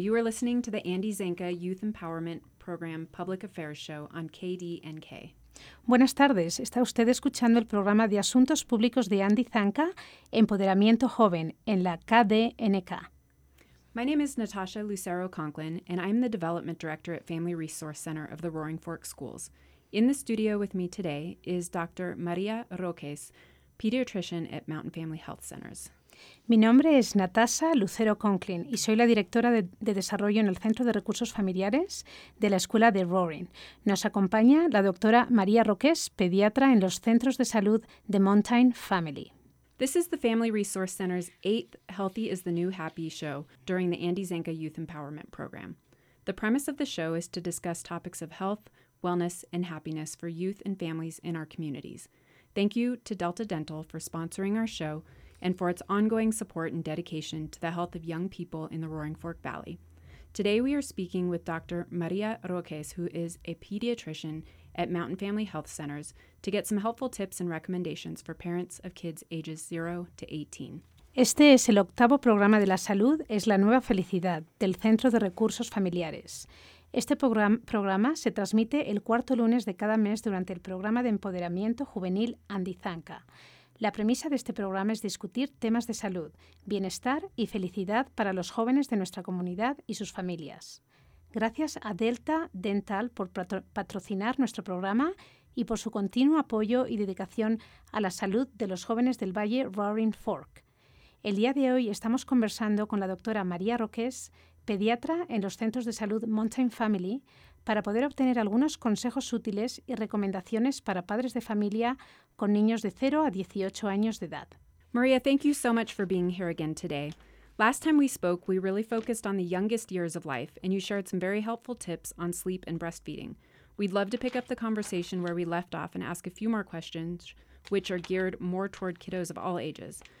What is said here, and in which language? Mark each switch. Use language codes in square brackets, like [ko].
[en] You are listening to the Andy Zanka Youth Empowerment Program Public Affairs Show on KDNK. [es] Buenas tardes. Está usted escuchando el programa de asuntos públicos de Andy Zanka, Empoderamiento Joven, en la KDNK. [en] My name is Natasha Lucero Conklin, and I'm the Development Director at Family Resource Center of the Roaring Fork Schools. In the studio with me today is Dr. Maria Roques, pediatrician at Mountain Family Health Centers. [es] Mi nombre es Natasha Lucero Conklin y soy la directora de desarrollo en el Centro de Recursos Familiares de la Escuela de Roaring. Nos acompaña la doctora María Roques, pediatra en los centros de salud de Mountain Family. [en] This is the Family Resource Center's 8th Healthy is the New Happy show during the Andy Zanka Youth Empowerment Program. The premise of the show is to discuss topics of health, wellness, and happiness for youth and families in our communities. Thank you to Delta Dental for sponsoring our show and for its ongoing support and dedication to the health of young people in the Roaring Fork Valley. Today we are speaking with Dr. Maria Roques, who is a pediatrician at Mountain Family Health Centers, to get some helpful tips and recommendations for parents of kids ages 0 to 18. [es] Este es el octavo programa de La Salud es la Nueva Felicidad del Centro de Recursos Familiares. Este programa se transmite el cuarto lunes de cada mes durante el programa de empoderamiento juvenil Andy Zanka. La premisa de este programa es discutir temas de salud, bienestar y felicidad para los jóvenes de nuestra comunidad y sus familias. Gracias a Delta Dental por patrocinar nuestro programa y por su continuo apoyo y dedicación a la salud de los jóvenes del Valle Roaring Fork. El día de hoy estamos conversando con la doctora María Roques, pediatra en los centros de salud Mountain Family, para poder obtener algunos consejos útiles y recomendaciones para padres de familia con niños de 0 a 18 años de edad. [en] Maria, thank you so much for being here again today. Last time we spoke, we really focused on the youngest years of life, and you shared some very helpful tips on sleep and breastfeeding. We'd love to pick up the conversation where we left off and ask a few more questions, which are geared more toward kiddos of all ages.